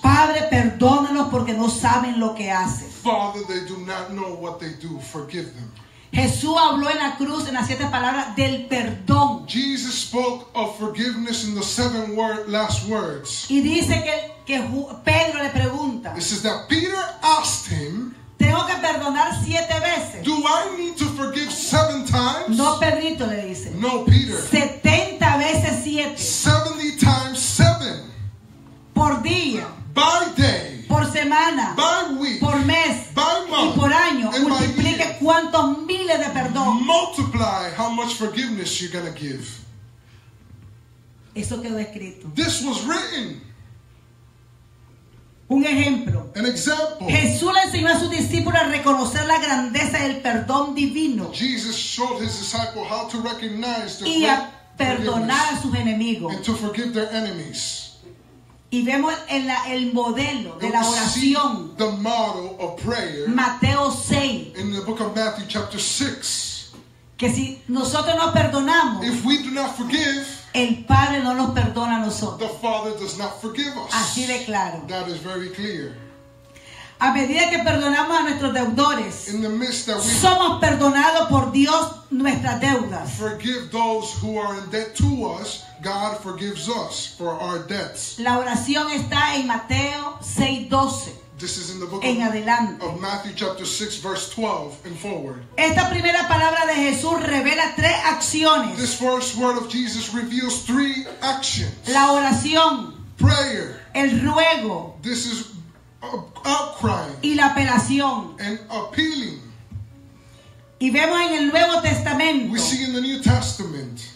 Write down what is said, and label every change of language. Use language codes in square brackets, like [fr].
[es] Padre, perdónalos porque no saben lo que hacen. [en] Father, they do not know what they do. Forgive them. [es] Jesús habló en la cruz en las siete palabras del perdón. [en] Jesus spoke of forgiveness in the seven word, last words. [es] Y dice que Pedro le pregunta. [en] It says that Peter asked him, [es] tengo que perdonar siete veces. [en] Do I need to forgive seven times? [es] No, Pedrito, le dice. [en] No, Peter. [es] 70 veces 7. [en] 70 times 7. [es] Por día. [en] By day. [es] Por semana. [en] By week. [es] Por mes. [en] By month. [es] Y por año. Multiplique cuántos miles de perdón. [en] Multiply how much forgiveness you're going to give. [es] Eso quedó escrito. [en] This was written. [es] Un ejemplo. [en] An example. [es] Jesús le enseñó a sus discípulos a reconocer la grandeza del perdón divino. [en] Jesus showed his disciples how to recognize the [es] y a perdonar a sus enemigos. [en] And to forgive their enemies. [es] Y vemos el modelo de la oración. [en] The model of prayer. [es] Mateo 6. [en] In the book of Matthew chapter 6. [es] Que si nosotros no perdonamos. [en] If we do not forgive. [es] El Padre no nos perdona a nosotros. [en] The Father does not forgive us. [es] Así de claro. [en] That is very clear. [es] A medida que perdonamos a nuestros deudores, [en] in the midst that we [es] somos perdonados por Dios nuestras deudas. [en] Forgive those who are in debt to us. God forgives us for our debts. [es] La oración está en Mateo 6:12. [en] This is in the book of Matthew chapter 6 verse 12 and forward. [es] Esta primera palabra de Jesús revela tres acciones. [en] This first word of Jesus reveals three actions. [es] La oración. [en] Prayer. [es] El ruego. [en] This is outcry. [es] Y la apelación. [en] And appealing. [es] Y vemos en el Nuevo Testamento. [en] We see in the New Testament.